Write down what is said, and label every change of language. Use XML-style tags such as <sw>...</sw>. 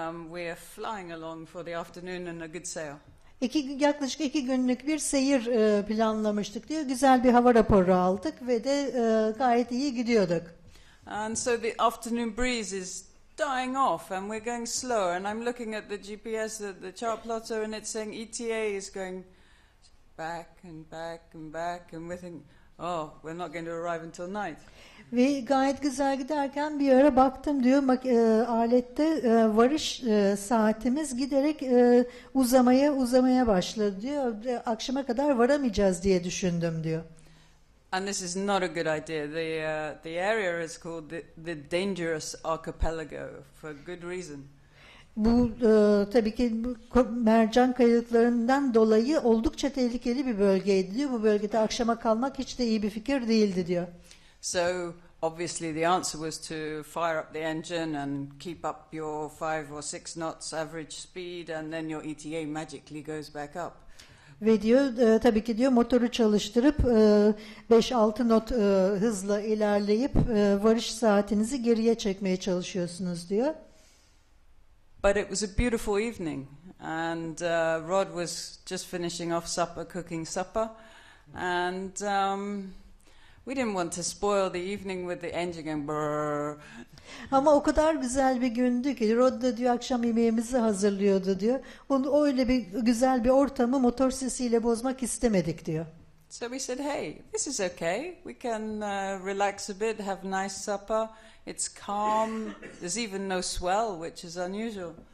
<en>We are flying along for the afternoon and a good sail.</en> <tr>Yaklaşık 2 günlük bir seyir planlamıştık diyor. Güzel bir hava raporu aldık ve de gayet iyi gidiyorduk.</tr> <en>And so the afternoon breeze is dying off and we're going slower. And I'm looking at the GPS, the chart plotter, and it's saying ETA is going back and back and back, and we think, oh, we're not going to arrive until night.</en> <tr>Ve gayet güzel giderken bir ara baktım diyor alette varış saatimiz giderek uzamaya başladı diyor. Akşama kadar varamayacağız diye düşündüm diyor.</tr> <en>And this is not a good idea. The area is called the dangerous archipelago for good reason.</en> <tr>Bu tabii ki mercan kayalıklarından dolayı oldukça tehlikeli bir bölgeydi diyor. Bu bölgede akşama kalmak hiç de iyi bir fikir değildi diyor.</tr> <en>So obviously the answer was to fire up the engine and keep up your 5 or 6 knots average speed and then your ETA magically goes back up.</en> <tr>Ve diyor tabii ki diyor motoru çalıştırıp 5-6 knot hızla ilerleyip varış saatinizi geriye çekmeye çalışıyorsunuz diyor.</tr> <en>But it was a beautiful evening, and Rod was just finishing off supper, cooking supper, and we didn't want to spoil the evening with the engine going brrrr.</en> <tr>Ama o kadar güzel bir gündü ki, Rod da diyor akşam yemeğimizi hazırlıyordu diyor. Onu öyle bir güzel bir ortamı motor sesiyle bozmak istemedik diyor.</tr> <en>So we said, hey, this is okay. We can relax a bit, have a nice supper. It's calm. There's even no swell, which is unusual.</en>